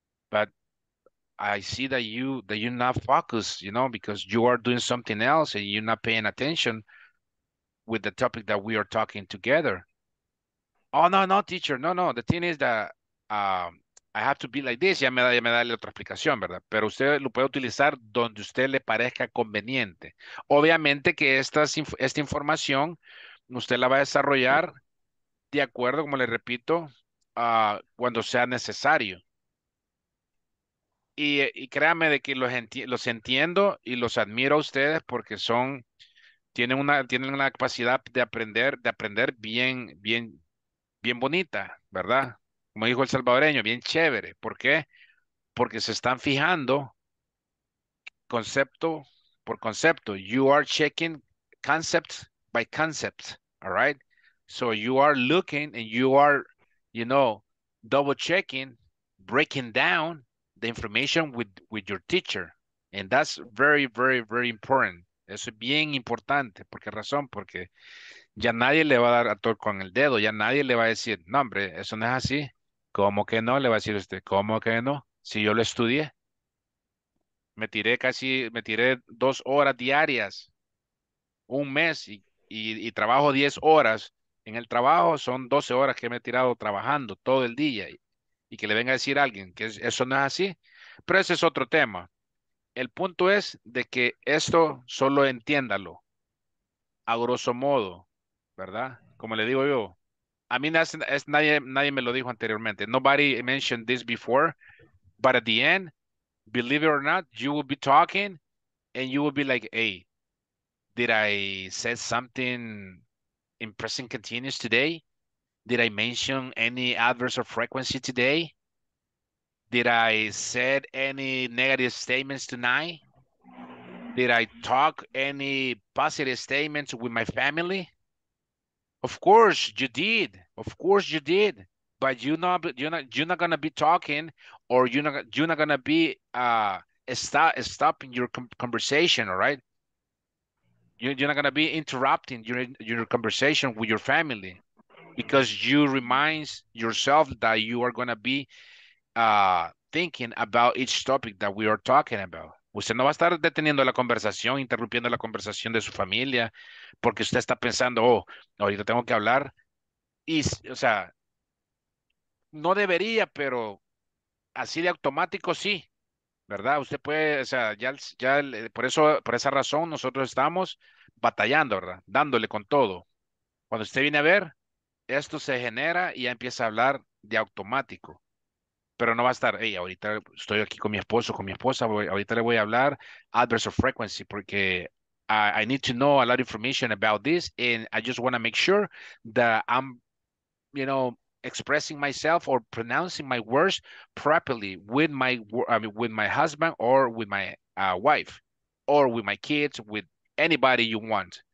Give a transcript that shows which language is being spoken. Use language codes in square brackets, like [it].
[en] But I see that you're not focused, you know, because you are doing something else and you're not paying attention with the topic that we are talking together. Oh, no, no, teacher. No, no. The thing is that I have to be like this. [es] Ya me da otra explicación, ¿verdad? Pero usted lo puede utilizar donde usted le parezca conveniente. Obviamente que esta información usted la va a desarrollar de acuerdo, como le repito, cuando sea necesario. Y créame de que los entiendo y los admiro a ustedes porque son... Tienen una capacidad de aprender bien, bien, bien bonita, ¿verdad? Como dijo el salvadoreño, bien chévere. ¿Por qué? Porque se están fijando concepto por concepto. [en] You are checking concept by concept, all right? So you are looking and you are, you know, double checking, breaking down the information with your teacher. And that's very, very, very important. [es] Eso es bien importante. ¿Por qué razón? Porque ya nadie le va a dar a todo con el dedo. Ya nadie le va a decir, no, hombre, eso no es así. ¿Cómo que no? Le va a decir usted, ¿cómo que no? Si yo lo estudié. Me tiré 2 horas diarias, un mes, y trabajo 10 horas. En el trabajo son 12 horas que me he tirado trabajando todo el día. Y que le venga a decir a alguien que eso no es así. Pero ese es otro tema. El punto es de que esto solo entiéndalo, a grosso modo, ¿verdad? Como le digo yo, a mí nadie me lo dijo anteriormente. [en] Nobody mentioned this before, but at the end, believe it or not, you will be talking and you will be like, hey, did I say something in present continuous today? Did I mention any adverbs of frequency today? Did I said any negative statements tonight? Did I talk any positive statements with my family? Of course you did. Of course you did. But you're not gonna be talking, or you're not gonna be stopping your conversation. All right. You're not gonna be interrupting your conversation with your family, because you remind yourself that you are gonna be thinking about each topic that we are talking about. [es] Usted no va a estar deteniendo la conversación, interrumpiendo la conversación de su familia, porque usted está pensando, oh, ahorita tengo que hablar. Y, o sea, no debería, pero así de automático sí, ¿verdad? Usted puede, o sea, ya por eso, por esa razón, nosotros estamos batallando, ¿verdad? Dándole con todo. Cuando usted viene a ver, esto se genera y ya empieza a hablar de automático. Pero no va a estar, hey, ahorita estoy aquí con mi esposo, con mi esposa, ahorita le voy a hablar [en] adverse of frequency, [es] porque [en] I need to know a lot of information about this, and I just want to make sure that I'm, you know, expressing myself or pronouncing my words properly with my husband or with my wife or with my kids, with anybody you want.